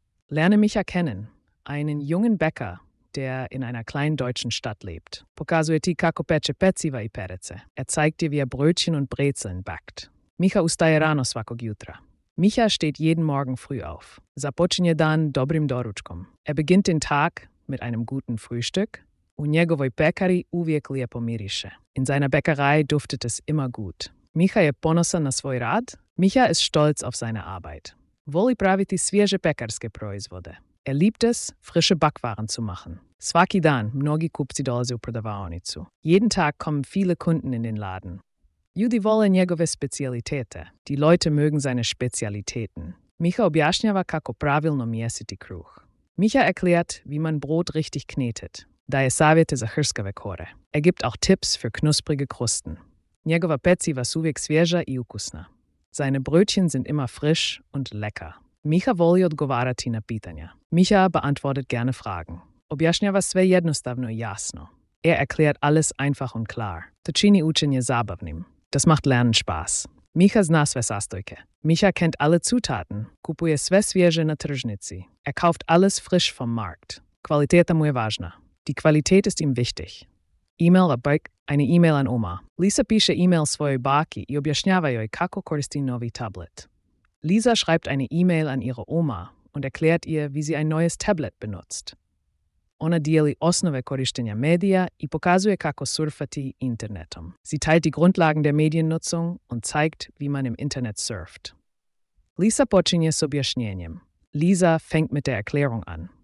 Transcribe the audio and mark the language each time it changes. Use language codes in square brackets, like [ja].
[de] Lerne Micha kennen, einen jungen Bäcker, der in einer kleinen deutschen Stadt lebt. [hr] Pokazuje ti kako peče peciva i perece. [de] Er zeigt dir, wie er Brötchen und Brezeln backt. [hr] Micha ustaje rano svakog jutra. [de] Micha steht jeden Morgen früh auf. [hr] Započinje dan dobrim doručkom. [de] Er beginnt den Tag mit einem guten Frühstück. [hr] U njegovoj pekari uvijek lijepo miriše. [de] In seiner Bäckerei duftet es immer gut. [hr] Micha je ponosan na svoj rad. [de] Micha ist stolz auf seine Arbeit. [hr] Voli praviti svježe pekarske proizvode. [de] Er liebt es, frische Backwaren zu machen. [hr] Svaki dan, mnogi kupci dolaze u prodavaonicu. [de] Jeden Tag kommen viele Kunden in den Laden. [hr] Ljudi vole njegove specialitete. [de] Die Leute mögen seine Spezialitäten. [hr] Micha objašnjava kako pravilno mjesiti kruh. [de] Micha erklärt, wie man Brot richtig knetet. [hr] Daje savjete za hrskave kore. [de] Er gibt auch Tipps für knusprige Krusten. [hr] Njegova peciva su uvijek svježa i ukusna. [de] Seine Brötchen sind immer frisch und lecker. [hr] Micha voli odgovarati na pitanja. [de] Micha beantwortet gerne Fragen. [hr] Objašnjava sve jednostavno i jasno. [de] Er erklärt alles einfach und klar. [hr] To čini učenje zabavnim. [de] Das macht Lernen Spaß. [hr] Micha zna sve sastojke. [de] Micha kennt alle Zutaten, [hr] kupuje sve svježe na tržnici. [de] Er kauft alles frisch vom Markt. [hr] Kvaliteta mu je važna. [de] Die Qualität ist ihm wichtig. E-mail abbeik, eine E-mail an Oma. [hr] Lisa piše E-mail svojoj baki i objašnjava joj kako koristi novi tablet. [de] Lisa schreibt eine E-mail an ihre Oma und erklärt ihr, wie sie ein neues Tablet benutzt. [hr] Ona dijeli osnove korištenja medija i pokazuje kako surfati internetom. [de] Sie teilt die Grundlagen der Mediennutzung und zeigt, wie man im Internet surft. [hr] Lisa počinje s objašnjenjem. [de] Lisa fängt mit der Erklärung an.